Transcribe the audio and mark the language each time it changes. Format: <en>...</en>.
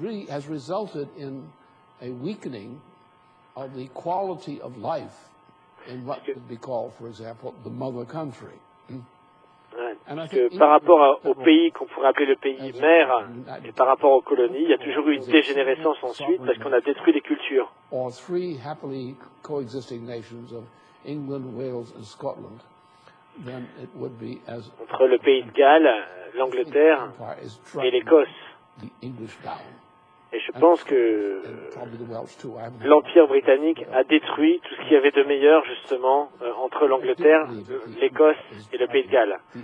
<en>has resulted in a weakening of the quality of life in what would be called, for example, the mother country.</en> <fr>Que par rapport au pays qu'on pourrait appeler le pays mère, et par rapport aux colonies, il y a toujours eu une dégénérescence ensuite parce qu'on a détruit les cultures.</fr> <en>Or three happily coexisting nations of England, Wales, and Scotland. Then it would be as</en> <fr>entre le pays de Galles, l'Angleterre et l'Écosse. Et je pense que l'Empire britannique a détruit tout ce qu'il y avait de meilleur, justement, entre l'Angleterre, l'Écosse et le Pays de Galles.</fr>